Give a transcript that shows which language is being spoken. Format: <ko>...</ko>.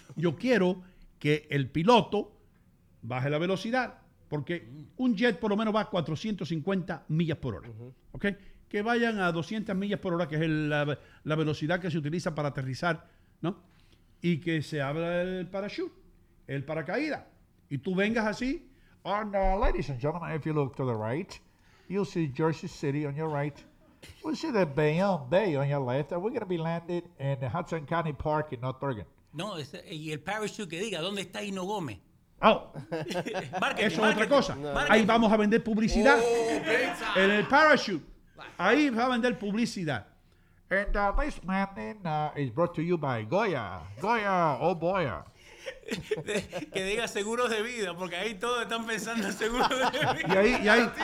<es>Yo quiero que el piloto baje la velocidad, porque un jet por lo menos va a 450 millas por hora. Uh-huh. ¿Okay? Que vayan a 200 millas por hora, que es la velocidad que se utiliza para aterrizar, ¿no? Y que se abra el parachute, el paracaídas. Y tú vengas así.</es> <en>And, ladies and gentlemen, if you look to the right, you'll see Jersey City on your right. We'll see the Bayonne Bay on your left, and we're going to be landed in Hudson County Park in North Bergen.</en> <es>No, y el parachute que diga, ¿dónde está Ino Gomez? Oh, eso es otra cosa. No. Ahí vamos a vender publicidad. Oh, en el parachute. Ahí va a vender publicidad.</es> <en>And this landing is brought to you by Goya. Goya, oh boy.</en> <es>Que diga seguros de vida, porque ahí todos están pensando en seguros de vida.</es>